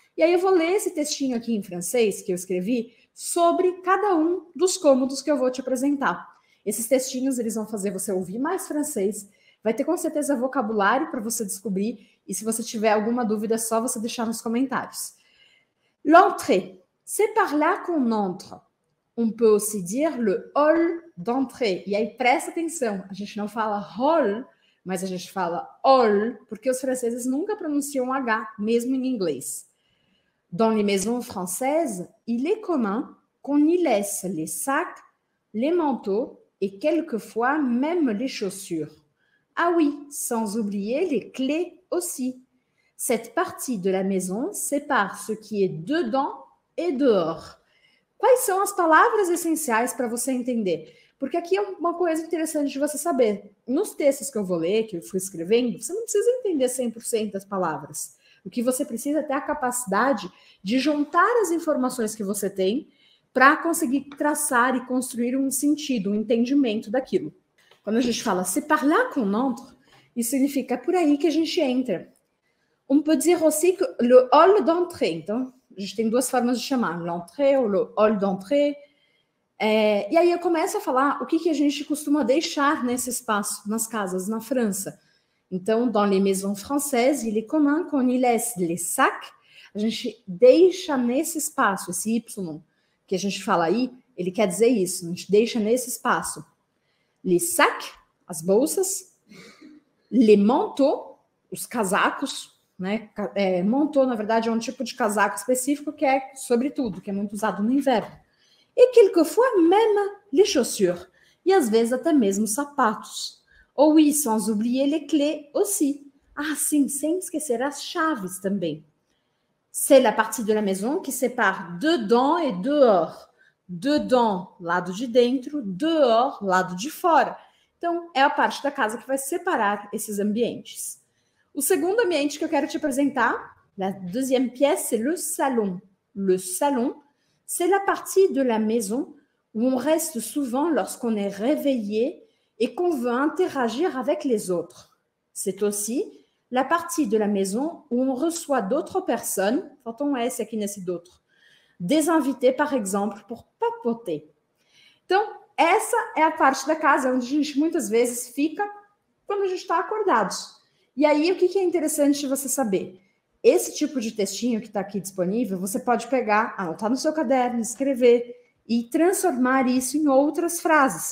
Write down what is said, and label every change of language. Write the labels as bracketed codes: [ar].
[pt] E aí eu vou ler esse textinho aqui em francês que eu escrevi sobre cada um dos cômodos que eu vou te apresentar. Esses textinhos, eles vão fazer você ouvir mais francês. Vai ter com certeza vocabulário para você descobrir. E se você tiver alguma dúvida, é só você deixar nos comentários. [fr] L'entrée. C'est par là qu'on entre. On peut aussi dire le hall d'entrée. [pt] E aí, presta atenção. A gente não fala hall, mas a gente fala hall, porque os franceses nunca pronunciam H, mesmo em inglês. [fr] Dans les maisons françaises, il est commun qu'on y laisse les sacs, les manteaux et quelquefois même les chaussures. Ah oui, sans oublier les clés aussi. Cette partie de la maison sépare ce qui est dedans et dehors. [pt] Quais são as palavras essenciais para você entender? Porque aqui é uma coisa interessante de você saber. Nos textos que eu vou ler, que eu fui escrevendo, você não precisa entender 100% das palavras. O que você precisa é ter a capacidade de juntar as informações que você tem para conseguir traçar e construir um sentido, um entendimento daquilo. Quando a gente fala se parlar com un autre, isso significa por aí que a gente entra. [fr] On peut dire aussi que le hall d'entrée. [pt] Então, a gente tem duas formas de chamar, [fr] l'entrée ou le hall d'entrée. [pt] E aí eu começo a falar o que, que a gente costuma deixar nesse espaço, nas casas, na França. Então, [fr] dans les maisons françaises, il est commun qu'on y laisse les sacs. [pt] A gente deixa nesse espaço, esse Y que a gente fala aí, ele quer dizer isso, a gente deixa nesse espaço. [fr] Les sacs, [pt] as bolsas, [fr] les manteaux, [pt] os casacos, né? Manteau, na verdade, é um tipo de casaco específico que é sobretudo, que é muito usado no inverno. [fr] Et quelquefois même les chaussures. [pt] E às vezes até mesmo sapatos. [fr] Ou oui, sans oublier les clés aussi. [pt] Ah, sim, sem esquecer as chaves também. [fr] C'est la partie de la maison qui sépare dedans et dehors. [pt] Dedans, lado de dentro, dehors, lado de fora. Então, é a parte da casa que vai separar esses ambientes. O segundo ambiente que eu quero te apresentar, [fr] la deuxième pièce, c'est le salon. Le salon, c'est la partie de la maison où on reste souvent lorsqu'on est réveillé et qu'on veut interagir avec les autres. C'est aussi la partie de la maison où on reçoit d'autres personnes, quand on est, c'est qui n'est d'autres. Des invités, par exemple, pour papoter. [pt] Então, essa é a parte da casa onde a gente muitas vezes fica quando a gente está acordado. E aí, o que é interessante você saber? Esse tipo de textinho que está aqui disponível, você pode pegar, anotar no seu caderno, escrever e transformar isso em outras frases.